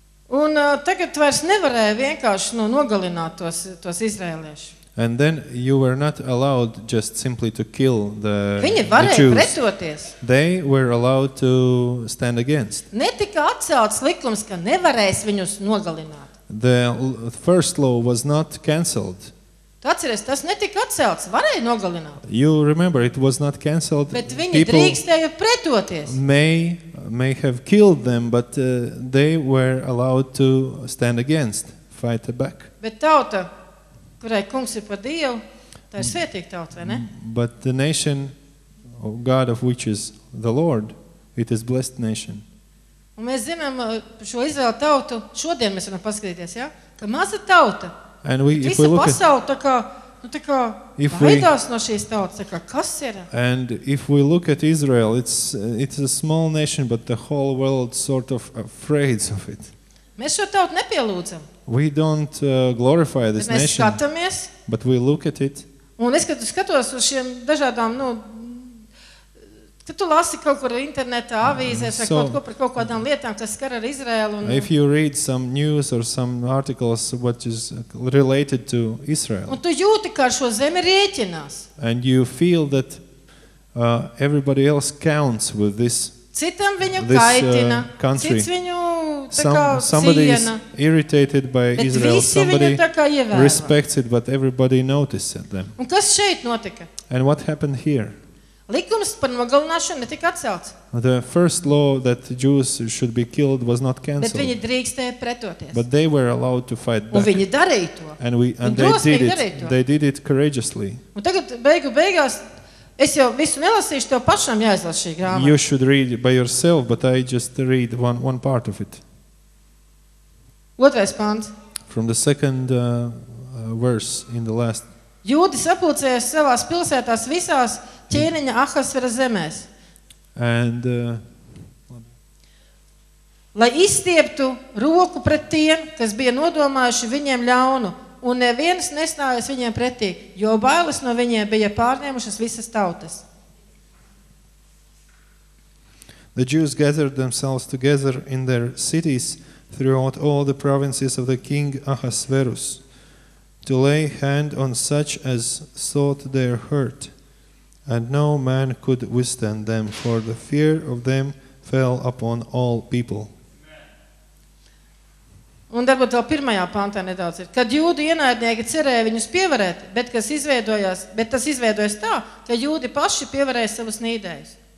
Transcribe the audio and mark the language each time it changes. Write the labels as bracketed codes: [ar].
[lv] Un tagad vairs nevarēja vienkārši nogalināt tos izraeliešus. [en] And then you were not allowed just simply to kill the Jews. [lv] Viņi varēja pretoties. [en] They were allowed to stand against. [lv] Netika atcelts likums, ka nevarēs viņus nogalināt. [en] The first law was not cancelled. [lv] Tu atceries, tas netika atcelts, varēja nogalināt. [en] You remember, it was not canceled. [lv] Bet viņi [en] people [lv] drīkstēja pretoties. [en] May have killed them, but they were allowed to stand against, fight back. [lv] Bet tauta, kurai kungs ir par Dievu, tā ir svētīga tauta, vai ne? [en] But the nation of God of which is the Lord, it is blessed nation. [lv] Un mēs zinām šo Izraela tautu, šodien mēs varam paskatīties, ja? Ka maza tauta. [en] And we, if we look at [lv] pasauli, tā kā, nu, tā kā baidās no šīs tautas, tā kā, kas ir? [en] And if we look at Israel, it's a small nation, but the whole world sort of afraid of it. [lv] Mēs šo tautu nepielūdzam. [en] We don't glorify this [lv] mēs [en] nation. [lv] Mēs skatāmies. [en] But we look at it. [lv] Un es, kad skatos uz šiem dažādām, nu, kad tu lasi kaut kur internetā avīzēs vai kaut ko par kaut kādām lietām, kas skar ar Izraelu. Un, [en] if you read some news or some articles what is related to Israel. [lv] Un tu jūti, kā šo zemi rēķinās. [en] And you feel that everybody else counts with this. [lv] Citam viņu kaitina, cits viņu tā kā ciena. [en] Somebody is irritated by [lv] bet [en] Israel, somebody respects it, but everybody notices them. [lv] Un kas šeit notika? [en] And what happened here? [lv] Likums par nogalināšanu netika atcelts. [en] The first law that Jews should be killed was not canceled. [lv] Bet viņi drīkstēja pretoties. [en] But they were allowed to fight back. [lv] Un viņi darīja to. [en] And we and [lv] viņi [en] they did it. They did it courageously. [lv] Un tagad beigu beigās es jau visu nelasīšu, tev pašam jāizlasa šī grāmata. [en] You should read by yourself, but I just read one part of it. [lv] Otrais pants. [en] From the second verse in the last. [lv] Jūdi sapulcējās savās pilsētās visās ķēniņa Ahasvera zemēs. [en] And [lv] lai izstieptu roku pret tiem, kas bija nodomājuši viņiem ļaunu, un neviens nestājas viņiem pretī, jo bailes no viņiem bija pārņēmušas visas tautas. [en] The Jews gathered themselves together in their cities throughout all the provinces of the king Ahasverus to lay hand on such as sought their hurt. And no man could withstand them, for the fear of them fell upon all people. [lv] Un darbūt vēl pirmajā pantā nedaudz ir. Kad jūdi ienaidnieki cerēja viņus pievarēt, bet, kas izveidojās, bet tas izveidojas tā, ka jūdi paši pievarēja savus nīdējus.